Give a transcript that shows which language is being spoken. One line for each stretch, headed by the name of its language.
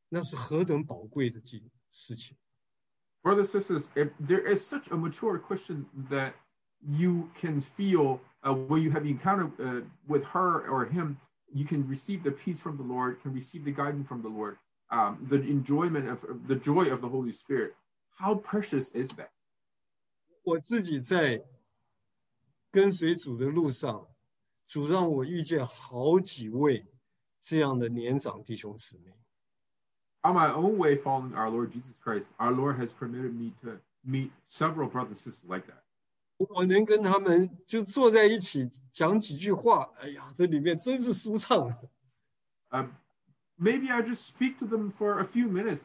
Chinese: 若是我们在聚会中有一位弟兄或姊妹，他生命成熟到一个地步，你碰见他，你就碰见主的喜乐；碰见他，你就感觉到平安；碰见他，你就感觉到公义和公平。那是何等宝贵的事情！
English: Brothers, sisters, if there is such a mature Christian that you can feel where you have encountered with her or him, you can receive the peace from the Lord, can receive the guidance from the Lord, the enjoyment of the joy of the Holy Spirit. How precious is that?
Chinese: 我自己在跟随主的路上，主让我遇见好几位这样的年长弟兄姊妹。
English: On my own way following our Lord Jesus Christ, our Lord has permitted me to meet several brothers and sisters like that.
Chinese: 我能跟他们就坐在一起讲几句话，哎呀，这里面真是舒畅。
English: Maybe I just speak to them for a few minutes.